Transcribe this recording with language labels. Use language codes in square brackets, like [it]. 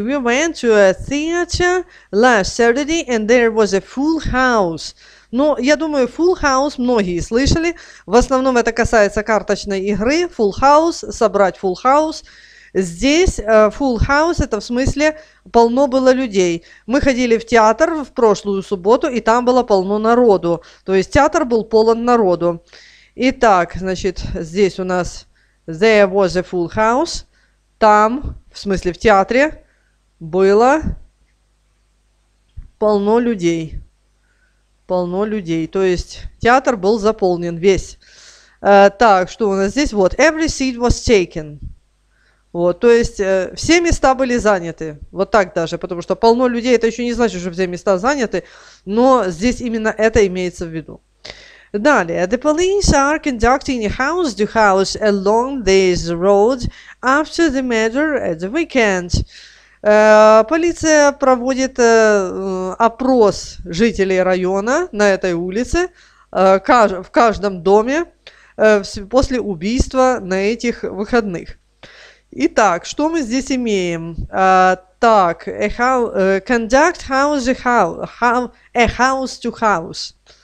[en] We went to a theater last Saturday and there was a full house. [ru] Но я думаю, Full House многие слышали. В основном это касается карточной игры. Full House, собрать Full House. Здесь Full House, это в смысле полно было людей. Мы ходили в театр в прошлую субботу, и там было полно народу. То есть театр был полон народу. Итак, значит, здесь у нас [en] There was a Full House. [ru] Там, в смысле в театре, было полно людей. Полно людей. То есть театр был заполнен весь. Так, что у нас здесь? Вот. [en] Every seat was taken. [ru] Вот. То есть все места были заняты. Вот так даже. Потому что полно людей, это еще не значит, что все места заняты. Но здесь именно это имеется в виду. Далее. [en] The police are conducting house to house along this road after the murder at the weekend. [ru] Полиция проводит опрос жителей района на этой улице, в каждом доме, после убийства на этих выходных. Итак, что мы здесь имеем? Так, [en] conduct house to house, a house to house.